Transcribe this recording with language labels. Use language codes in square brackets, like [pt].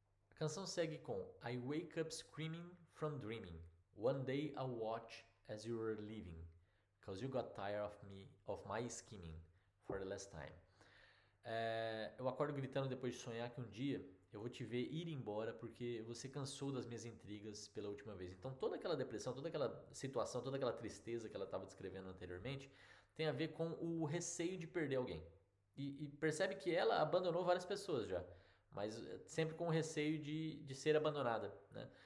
[pt] A canção segue com [en] I wake up screaming from dreaming. One day I'll watch as you were leaving. Cause you got tired of me, of my scheming for the last time. [pt] Eu acordo gritando depois de sonhar que um dia eu vou te ver ir embora porque você cansou das minhas intrigas pela última vez. Então toda aquela depressão, toda aquela situação, toda aquela tristeza que ela estava descrevendo anteriormente tem a ver com o receio de perder alguém. E percebe que ela abandonou várias pessoas já. Mas sempre com o receio de ser abandonada, né?